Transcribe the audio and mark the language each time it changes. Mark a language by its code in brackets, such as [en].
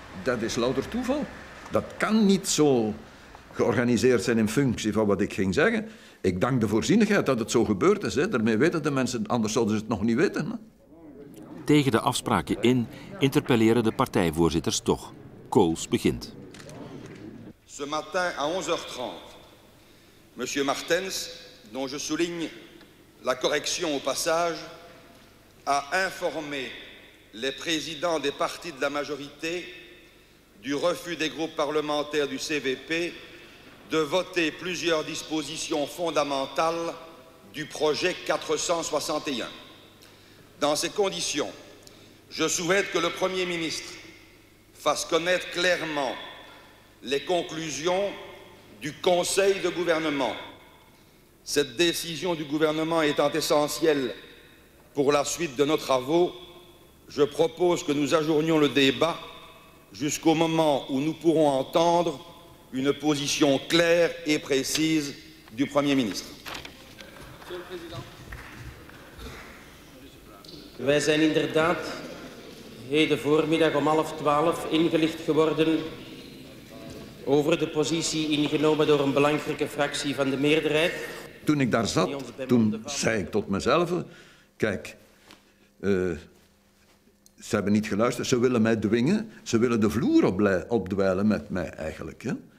[nl] Dat is louter toeval. Dat kan niet zo georganiseerd zijn in functie van wat ik ging zeggen. Ik dank de voorzienigheid dat het zo gebeurd is. Hè. Daarmee weten de mensen, anders zouden ze het nog niet weten. Hè. Tegen de afspraken in, interpelleren de partijvoorzitters toch. Kools begint. [fr] Ce matin à 11h30, monsieur Martens, dont je souligne la correction au passage, a informé les présidents des partis de la majorité du refus des groupes parlementaires du CVP de voter plusieurs dispositions fondamentales du projet 461. Dans ces conditions, je souhaite que le Premier ministre fasse connaître clairement les conclusions du Conseil de gouvernement. Cette décision du gouvernement étant essentielle pour la suite de nos travaux, je propose que nous ajournions le débat jusqu'au moment où nous pourrons entendre une position claire et précise du Premier ministre. Monsieur le Président, [nl] wij zijn inderdaad heden voormiddag om 11:30 ingelicht geworden over de positie ingenomen door een belangrijke fractie van de meerderheid. Toen ik daar zat, toen zei ik tot mezelf, kijk, ze hebben niet geluisterd, ze willen mij dwingen, ze willen de vloer opdweilen met mij eigenlijk. Hè?